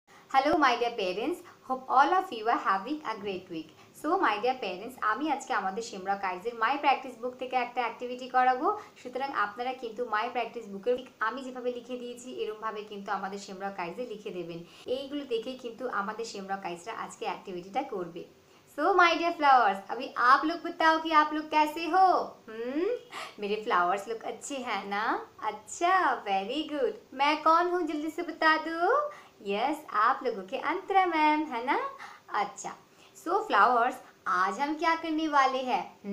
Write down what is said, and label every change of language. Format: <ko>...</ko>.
<en>Hello my dear parents, hope all of you are having a great week. So my dear parents,</en> <bn>আমি আজকে আমাদের শিমরা কাইজের মাই practice বুক থেকে একটা activity করাবো। সুতরাং আপনারা কিন্তু মাই প্র্যাকটিস বুকের আমি যেভাবে লিখে দিয়েছি এরকম ভাবে কিন্তু আমাদের শিমরা কাইজে লিখে দেবেন। এইগুলো দেখেই কিন্তু আমাদের শিমরা কাইজরা আজকে অ্যাক্টিভিটিটা করবে।</bn> <en>so my dear flowers,</en> <hi>अभी आप लोग बताओ कि आप लोग कैसे हो। मेरे फ्लावर्स लोग अच्छे हैं ना? अच्छा,</hi> <en>Very good.</en> <hi>मैं कौन हूँ जल्दी से बता दो। यस, आप लोगों के अंतरा मैम है ना। अच्छा, सो फ्लावर्स, आज हम क्या करने वाले हैं?</hi>